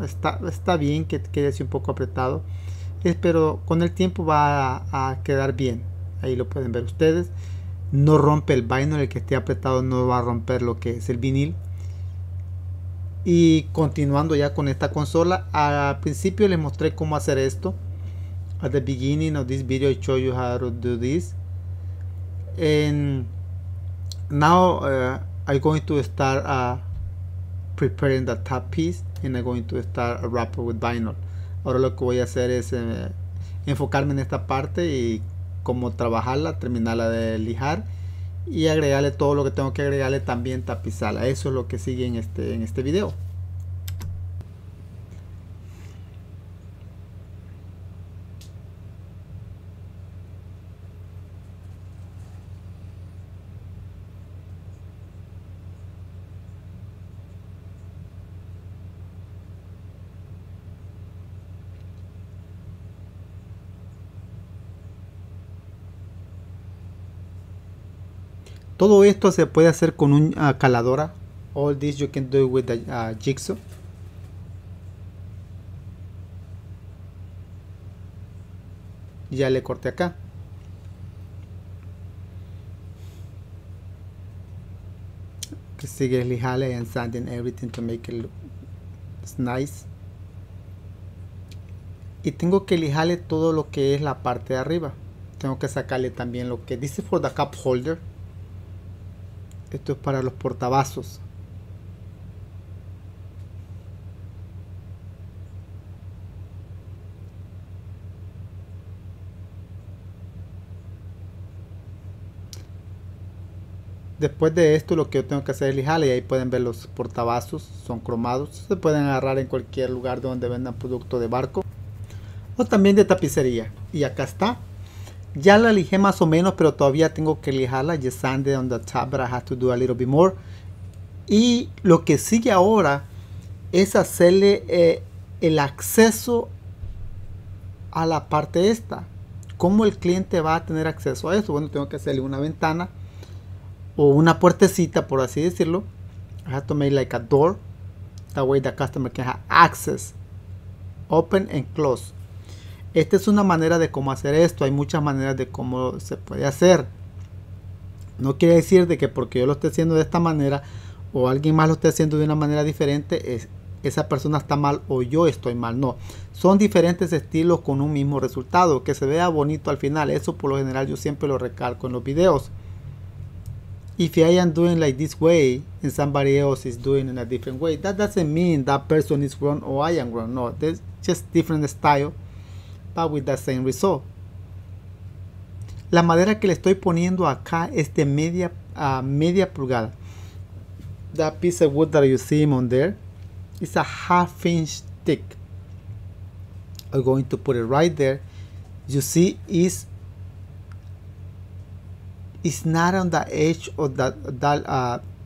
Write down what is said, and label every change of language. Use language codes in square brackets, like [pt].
[es] Está bien que quede así un poco apretado. Pero con el tiempo va a quedar bien. Ahí lo pueden ver ustedes. No rompe el vinil, el que esté apretado no va a romper lo que es el vinil. Y continuando ya con esta consola, al principio les mostré cómo hacer esto. [en] At the beginning of this video I show you how to do this. And now I'm going to start preparing the top piece and I'm going to start a wrapper with vinyl. [es] Ahora lo que voy a hacer es enfocarme en esta parte y cómo trabajarla, terminarla de lijar y agregarle todo lo que tengo que agregarle, también tapizarla. Eso es lo que sigue en este video. Todo esto se puede hacer con una caladora. [en] All this you can do with a jigsaw. [es] Ya le corté acá. Que sigue lijale [en] and sanding everything to make it look nice. [es] Y tengo que lijale todo lo que es la parte de arriba. Tengo que sacarle también lo que dice [en] for the cup holder. [es] Esto es para los portavasos. Después de esto, lo que yo tengo que hacer es lijarle. Y ahí pueden ver los portavasos, son cromados. Se pueden agarrar en cualquier lugar donde vendan producto de barco o también de tapicería. Y acá está. Ya la lijé más o menos, pero todavía tengo que lijarla. [en] Just sanded on the top, but I have to do a little bit more. [es] Y lo que sigue ahora es hacerle el acceso a la parte esta. ¿Cómo el cliente va a tener acceso a eso? Bueno, tengo que hacerle una ventana o una puertecita, por así decirlo. [en] I have to make like a door. That way the customer can have access. Open and close. [es] Esta es una manera de cómo hacer esto. Hay muchas maneras de cómo se puede hacer. No quiere decir de que porque yo lo esté haciendo de esta manera o alguien más lo esté haciendo de una manera diferente, esa persona está mal o yo estoy mal. No, son diferentes estilos con un mismo resultado, que se vea bonito al final. Eso por lo general yo siempre lo recalco en los videos. [en] If I am doing like this way and somebody else is doing in a different way, that doesn't mean that person is wrong or I am wrong. No, it's just different style but with the same result. [es] La madera que le estoy poniendo acá es de media pulgada. [en] That piece of wood that you see on there is a half inch thick. I'm going to put it right there. You see it's not on the edge of that